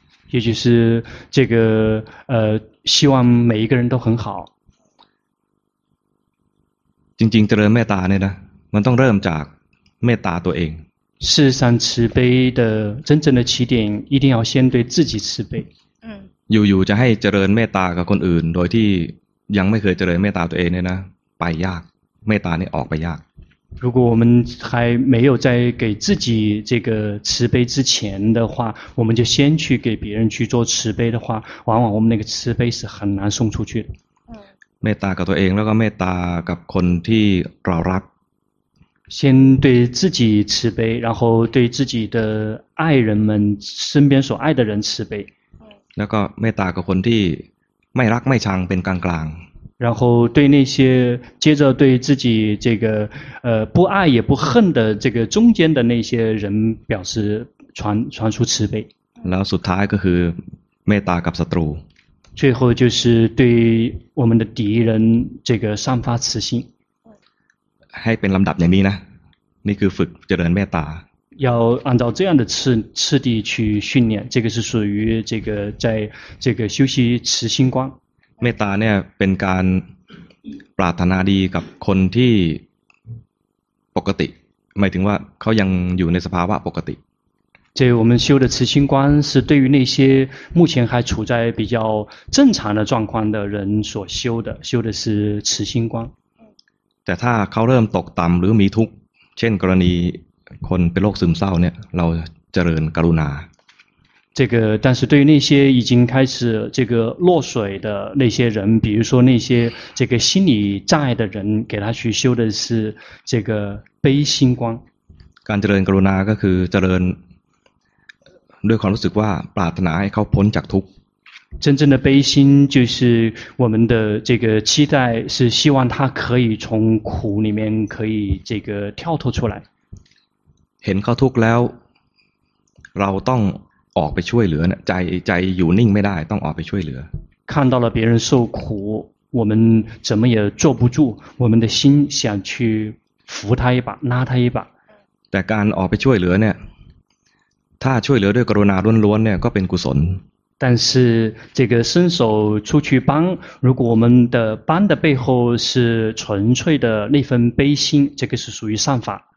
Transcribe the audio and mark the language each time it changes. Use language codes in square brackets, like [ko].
[zh] เยจิซือ这个希望每一个人都很好 [th] จริงๆเจริญเมตตาเนี่ยนะมันต้องเริ่มจากเมตตาตัวเอง [zh] 事实上慈悲的真正的起点一定要先对自己慈悲 [th] อยู่ๆจะให้เจริญเมตตากับคนอื่นโดยที่ยังไม่เคยเจริญเมตตาตัวเองเนี่ยนะไปยากเมตตานี่ออกไปยาก [zh] 如果我们还没有在给自己这个慈悲之前的话，我们就先去给别人去做慈悲的话，往往我们那个慈悲是很难送出去的。 [th] เมตตากับตัวเองแล้วก็เมตตากับคนที่เรารัก [zh] 先对自己慈悲，然后对自己的爱人们身边所爱的人慈悲。 [th] แล้วก็เมตตากับคนที่ไม่รักไม่ชังเป็นกลางกลาง [zh] 然后对那些接着对自己这个不爱也不恨的这个中间的那些人表示传出慈悲。 [th] แล้วสุดท้ายก็คือเมตตากับศัตรู [zh] 最后就是对我们的敌人这个散发慈心。 [th] ให้เป็นลำดับอย่างนี้นะนี่คือฝึกเจริญเมตตา [zh] 要按照这样的次第去训练，这个是属于这个在这个修习慈心观。 [th] เมตตาเนี่ยเป็นการปรารถนาดีกับคนที่ปกติหมายถึงว่าเขายังอยู่ในสภาวะปกติ [zh] 这我们修的慈心观是对于那些目前还处在比较正常的状况的人所修的，修的是慈心观。 [th] แต่ถ้าเขาเริ่มตกต่ำหรือมีทุกข์เช่นกรณีคนเป็นโรคซึมเศร้าเนี่ยเราเจริญกรุณา [zh] 这个但是对于那些已经开始这个落水的那些人，比如说那些这个心理障碍的人，给他去修的是这个悲心观。 [th] การเจริญกรุณาก็คือเจริญด้วยความรู้สึกว่าปรารถนาให้เขาพ้นจากทุกข์ [zh] 真正的悲心就是我们的这个期待，是希望他可以从苦里面可以这个跳脱出来。 [th] เห็นเขาทุกข์แล้วเราต้องออกไปช่วยเหลือเนี่ยใจอยู่นิ่งไม่ได้ต้องออกไปช่วยเหลือ [zh] 看到了别人受苦，我们怎么也坐不住，我们的心想去扶他一把，拉他一把。 [th] แต่การออกไปช่วยเหลือเนี่ยถ้าช่วยเหลือด้วยกรุณาล้วนๆเนี่ยก็เป็นกุศล [zh] 但是这个伸手出去帮，如果我们的帮的背后是纯粹的那份悲心，这个是属于善法。